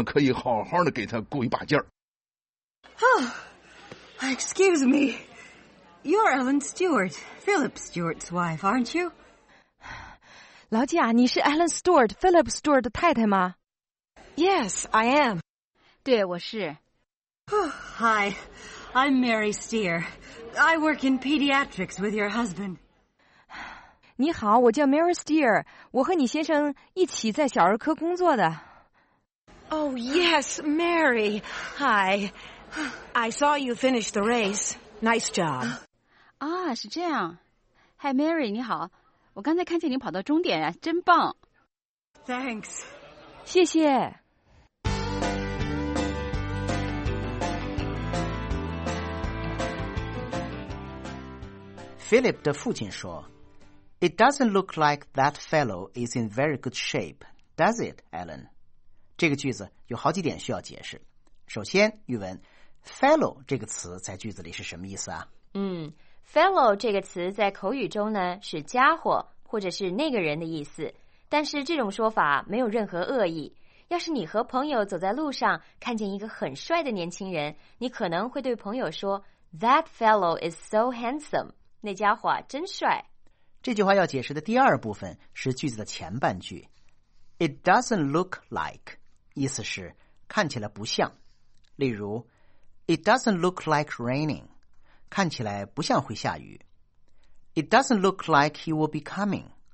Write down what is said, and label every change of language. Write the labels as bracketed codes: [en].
[zh] 他没事，Ellen，用不了多一会儿，他就会从我们现在站的这个地方跑过来，我们可以好好的给他鼓一把劲儿。 [en] Oh, excuse me. You're Ellen Stewart, Philip Stewart's wife, aren't you? [zh] 劳姐，你是Ellen Stewart, Philip Stewart的太太吗？ [en] Yes, I am. [zh] 对，我是。Oh, [en] hi, I'm Mary Steer. I work in pediatrics with your husband. [zh] 你好，我叫Mary Steer. 我和你先生一起在小儿科工作的。Oh, [en] yes, Mary. Hi. I saw you finish the race. Nice job. [zh] 啊，是这样。 Hi, Mary, 你好。我刚才看见你跑到终点，真棒。 [en] Thanks. [zh] 谢谢。Philip的父亲说， [en] It doesn't look like that fellow is in very good shape, does it, Ellen? [zh] 这个句子有好几点需要解释。首先，语文， Fellow这个词在句子里是什么意思啊？ Fellow这个词在口语中呢， 是家伙或者是那个人的意思， 但是这种说法没有任何恶意。要是你和朋友走在路上， 看见一个很帅的年轻人， 你可能会对朋友说， [en] That fellow is so handsome， [zh] 那家伙真帅。这句话要解释的第二部分， 是句子的前半句。 [en] It doesn't look like， [zh] 意思是， 看起来不像。 [en] 例如， It doesn't look like raining. [zh] 看起来不像会下雨。 [en] It doesn't look like he will be coming.